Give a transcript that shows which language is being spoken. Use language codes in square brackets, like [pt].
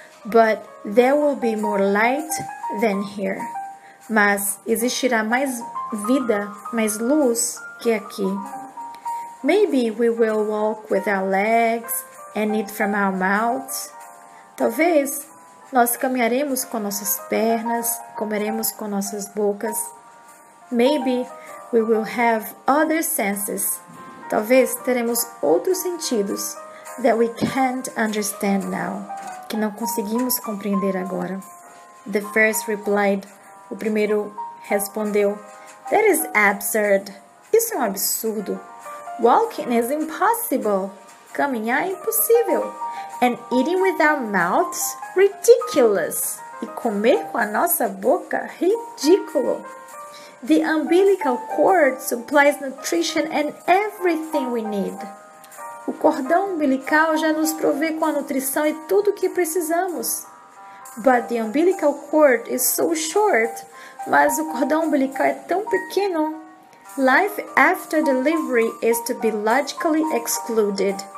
[en] But there will be more light than here. [pt] Mas existirá mais vida, mais luz que aqui. [en] Maybe we will walk with our legs and eat from our mouths. [pt] Talvez nós caminharemos com nossas pernas, comeremos com nossas bocas. [en] Maybe we will have other senses. [pt] Talvez teremos outros sentidos [en] that we can't understand now. [pt] Que não conseguimos compreender agora. [en] The first replied, [pt] o primeiro respondeu, [en] That is absurd. [pt] Isso é um absurdo. [en] Walking is impossible. [pt] Caminhar é impossível. [en] And eating with our mouths, ridiculous. [pt] E comer com a nossa boca, ridículo. [en] The umbilical cord supplies nutrition and everything we need. [pt] O cordão umbilical já nos provê com a nutrição e tudo o que precisamos. [en] But the umbilical cord is so short. [pt] Mas o cordão umbilical é tão pequeno. [en] Life after delivery is to be logically excluded.